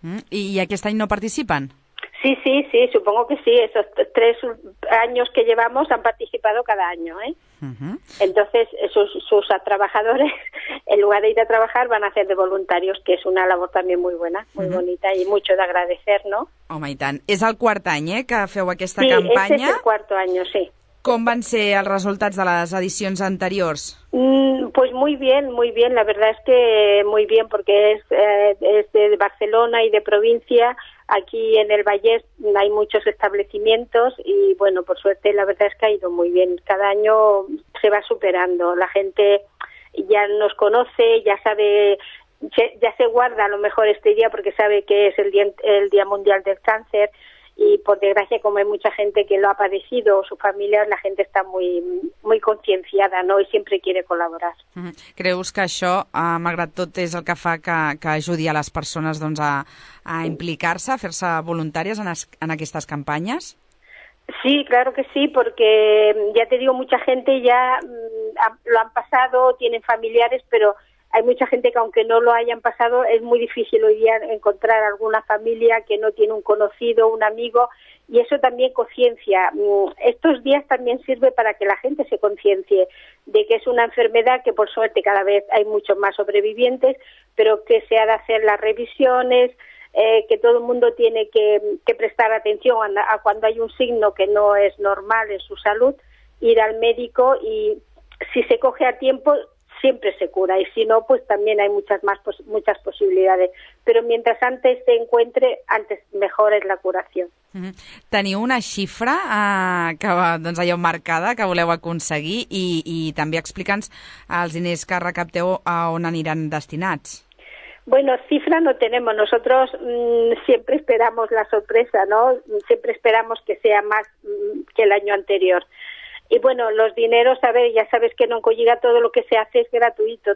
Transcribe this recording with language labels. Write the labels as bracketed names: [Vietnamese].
[Spanish] ¿Y aquí están y no participan? Sí, supongo que sí. Esos 3 años que llevamos han participado cada año, ¿eh? Uh-huh. Entonces, sus trabajadores, en lugar de ir a trabajar, van a hacer de voluntarios, que es una labor también muy buena, muy uh-huh. bonita y mucho de agradecer, ¿no? [Catalan] Home, i tant. És el quart any, que feu aquesta sí, campanya. Sí, és el quart any, sí. ¿Com van ser els resultats de les edicions anteriors? [Spanish] Pues muy bien. La verdad es que muy bien, porque es de Barcelona y de provincia. Aquí en el Vallès hay muchos establecimientos y, bueno, por suerte, la verdad es que ha ido muy bien. Cada año se va superando. La gente ya nos conoce, ya sabe, ya se guarda a lo mejor este día porque sabe que es el día Mundial del Cáncer y, por desgracia, como hay mucha gente que lo ha padecido o su familia, la gente está muy muy concienciada, ¿no?, y siempre quiere colaborar. [Catalan] ¿Creus que això, malgrat tot, és el que fa que ajudi a les persones, doncs, a implicar-se, a fer-se voluntàries en aquestes campanyes? [Spanish] Sí, claro que sí, porque ya te digo, mucha gente ya lo han pasado, tienen familiares, pero hay mucha gente que aunque no lo hayan pasado, es muy difícil hoy día encontrar alguna familia que no tiene un conocido, un amigo, y eso también conciencia. Estos días también sirve para que la gente se conciencie de que es una enfermedad que, por suerte, cada vez hay muchos más sobrevivientes, pero que se ha de hacer las revisiones, que todo el mundo tiene que prestar atención a cuando hay un signo que no es normal en su salud, ir al médico y si se coge a tiempo siempre se cura y si no pues también hay muchas posibilidades. Pero mientras antes se encuentre, antes mejor es la curación. [Catalan] ¿Teniu una xifra que doncs, allò marcada que voleu aconseguir i també explica'ns els diners que recapteu a on aniran destinats? [Spanish] Bueno, cifra no tenemos. Nosotros siempre esperamos la sorpresa, ¿no? Siempre esperamos que sea más que el año anterior. Y bueno, los dineros, a ver, ya sabes que en Oncolliga todo lo que se hace es gratuito.